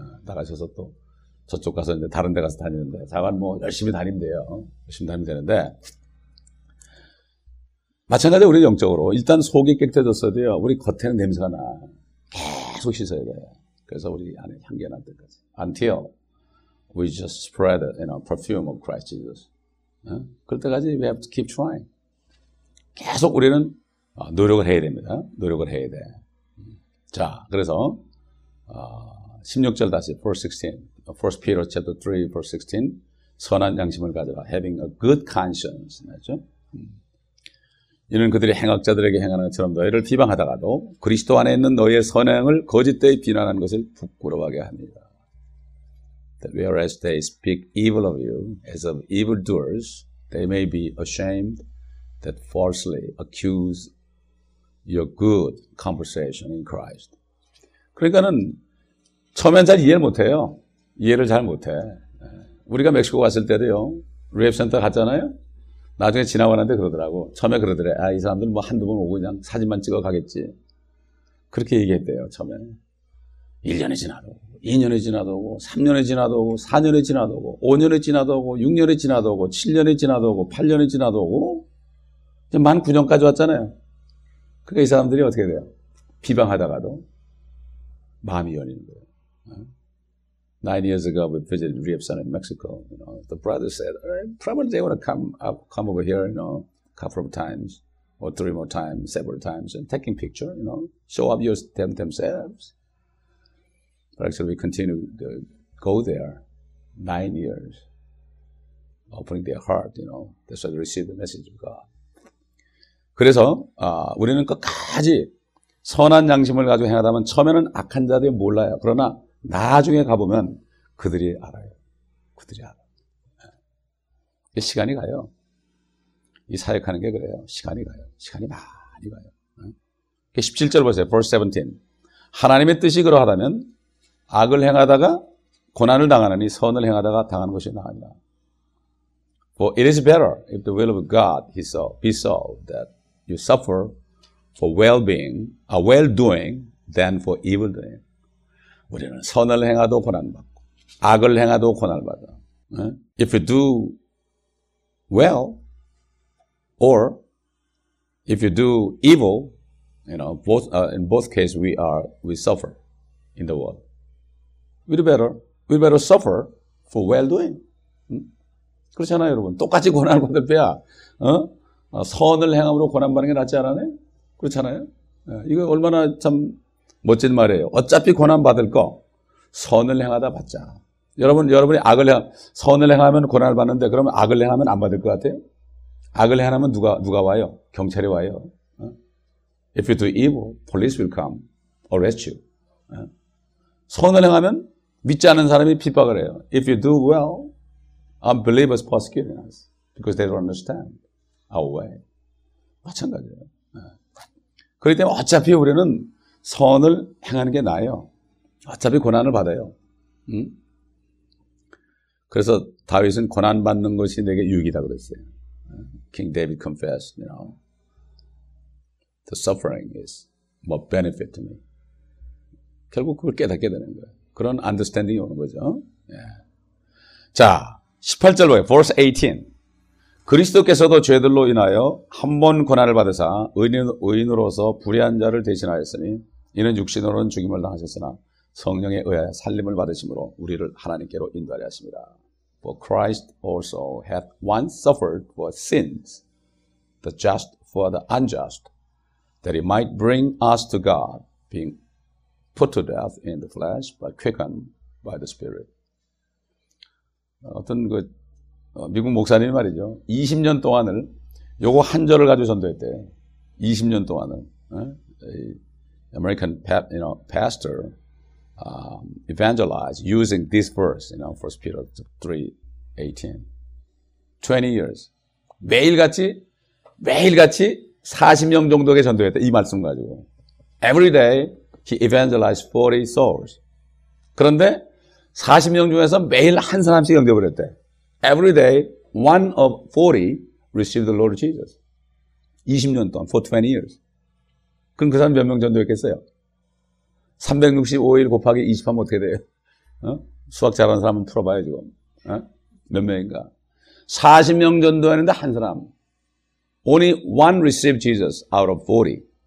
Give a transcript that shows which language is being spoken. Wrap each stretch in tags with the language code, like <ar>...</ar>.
<ko>나가셔서 또 저쪽 가서 이제 다른 데 가서 다니는데 자관 뭐 열심히 다니면 돼요. 열심히 다니면 되는데 마찬가지로 우리 영적으로 일단 속이 깨끗해졌어야 돼요. 우리 겉에는 냄새가 나. 계속 씻어야 돼요. 그래서 우리 안에 향기가 날 때까지.</ko> <en>Until we just spread the, you know, perfume of Christ Jesus.</en> <ko>그럴 때까지</ko> <en>we have to keep trying.</en> <ko>계속 우리는 노력을 해야 됩니다. 노력을 해야 돼. 자, 그래서 16절 다시</ko> <en>verse 16. First Peter chapter 3 verse 16.</en> <ko>선한 양심을 가져라.</ko> <en>Having a good conscience.</en> <ko>맞죠? 이는 그들이 행악자들에게 행하는 것처럼 너희를 비방하다가도 그리스도 안에 있는 너희의 선행을 거짓되이 비난한 것을 부끄러워하게 합니다.</ko> <en>That whereas they speak evil of you as of evildoers, they may be ashamed that falsely accuse your good conversation in Christ.</en> <ko>그러니까는 처음엔 잘 이해를 못해요. 이해를 잘 못해. 우리가 멕시코 갔을 때도요. 리앱센터 갔잖아요. 나중에 지나가는데 그러더라고. 처음에 그러더래. 아, 이 사람들 뭐 한두 번 오고 그냥 사진만 찍어 가겠지. 그렇게 얘기했대요. 처음에. 1년이 지나도 2년이 지나도 오고 3년이 지나도 오고 4년이 지나도 오고 5년이 지나도 오고 6년이 지나도 오고 7년이 지나도 오고 8년이 지나도 오고 이제 만 9년까지 왔잖아요. 그러니까 이 사람들이 어떻게 돼요? 비방하다가도 마음이 열리는 거예요.</ko> <en>Nine years ago, we visited Riepson in Mexico. You know, the brother said, probably they want to come over here, you know, a couple of times, or three more times, several times, and taking picture, you know, show up themselves. But actually, we continue to go there 9 years, opening their heart, you know, that's why they receive the message of God.</en> <ko>그래서, 우리는 끝까지 선한 양심을 가지고 행하다면 처음에는 악한 자들이 몰라요. 그러나, 나중에 가보면 그들이 알아요. 그들이 알아요. 시간이 가요. 이 사역하는 게 그래요. 시간이 가요. 시간이 많이 가요. 17절 보세요.</ko> <en>Verse 17.</en> <ko>하나님의 뜻이 그러하다면 악을 행하다가 고난을 당하느니 선을 행하다가 당하는 것이 나아니라.</ko> <en>For it is better if the will of God be so that you suffer for well-being, well-doing than for evil-doing.</en> <ko>우리는 선을 행하도 고난받고 악을 행하도 고난받아.</ko> <en>If you do well or if you do evil, you know, both in both cases we suffer in the world. We better suffer for well doing.</en> <ko>그렇잖아요, 여러분. 똑같이 고난을 받을 때야. 선을 행함으로 고난받는 게 낫지 않아요? 그렇잖아요. 이거 얼마나 참 멋진 말이에요. 어차피 고난 받을 거 선을 행하다 받자. 여러분이 선을 행하면 고난을 받는데 그러면 악을 행하면 안 받을 것 같아요? 악을 행하면 누가 와요? 경찰이 와요.</ko> <en>If you do evil, police will come, arrest you.</en> <ko>선을 행하면 믿지 않은 사람이 핍박을 해요.</ko> <en>If you do well, unbelievers persecute us because they don't understand our way.</en> <ko>마찬가지예요. 그렇기 때문에 어차피 우리는 선을 행하는 게 나아요. 어차피 고난을 받아요. 그래서 다윗은 고난 받는 것이 내게 유익이다 그랬어요.</ko> <en>King David confessed, you know, the suffering is more benefit to me.</en> <ko>결국 그걸 깨닫게 되는 거예요. 그런 understanding이 오는 거죠. 예. 자, 18절 보세요.</ko> <en>Verse 18.</en> <ko>그리스도께서도 죄들로 인하여 한 번 고난을 받으사 의인으로서 불의한 자를 대신하였으니 이는 육신으로는 죽임을 당하셨으나 성령에 의하여 살림을 받으심으로 우리를 하나님께로 인도하려 하십니다.</ko> <en>For Christ also hath once suffered for sins, the just for the unjust, that he might bring us to God, being put to death in the flesh, but quickened by the Spirit.</en> <ko>어떤 그 미국 목사님이 말이죠. 20년 동안을 요거 한 절을 가지고 전도했대. 20년 동안은</ko> <en>American pastor evangelize using this verse, you know, First Peter 3:18. 20 years.</en> <ko>매일같이 40명 정도에게 전도했다. 이 말씀 가지고.</ko> <en>Every day he evangelized 40 souls.</en> <ko>그런데 40명 중에서 매일 한 사람씩 영접을 했대.</ko> <en>Every day one of 40 received the Lord Jesus.</en> <ko>20년 동안</ko> <en>for 20 years.</en> <ko>그럼 그 사람 몇 명 전도했겠어요? 365일 곱하기 20하면 어떻게 돼요? 수학 잘하는 사람은 풀어봐야지. 몇 명인가? 40명 전도하는데 한 사람.</ko> <en>Only one received Jesus out of 40.</en>